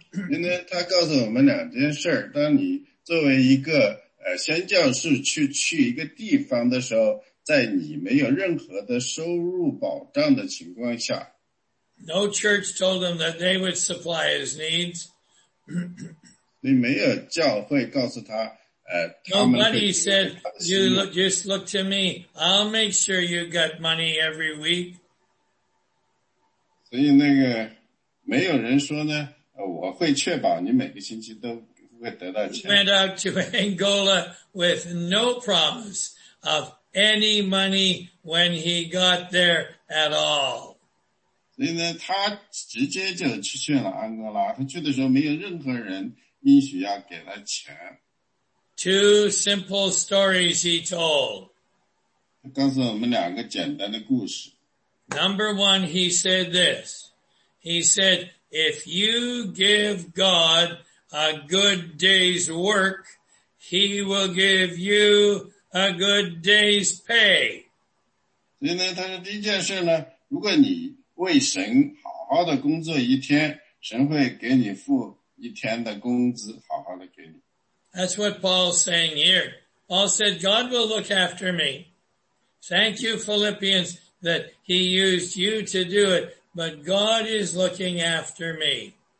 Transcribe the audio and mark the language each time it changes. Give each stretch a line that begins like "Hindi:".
Chinese: 因为他告诉我们两件事当你作为一个宣教士去一个地方的时候在你没有任何的收入保障的情况下。
English: No church told him that they would supply his needs.
Chinese: 所以没有教会告诉他
English: Nobody said, just look to me. I'll make sure you got money every week.
Chinese: 所以那个没有人说呢我会确保你每个星期都会得到钱。
English: He went out to Angola with no promise of any money when he got there at all.
Chinese: 所以呢，他直接就去了安哥拉，他去的时候没有任何人允许要给他钱。
English: Two simple stories he told.
Chinese: 他告诉我们两个简单的故事。
English: Number one, he said this. He said, if you give God a good day's work, he will give you a good day's pay.
Chinese: 所以呢，他说第一件事呢，如果你为神好好的工作一天，神会给你付一天的工资，好好的给你。
English: That's what Paul's saying here. Paul said, God will look after me. Thank you, Philippians, that he used you to do it, but God is looking after me.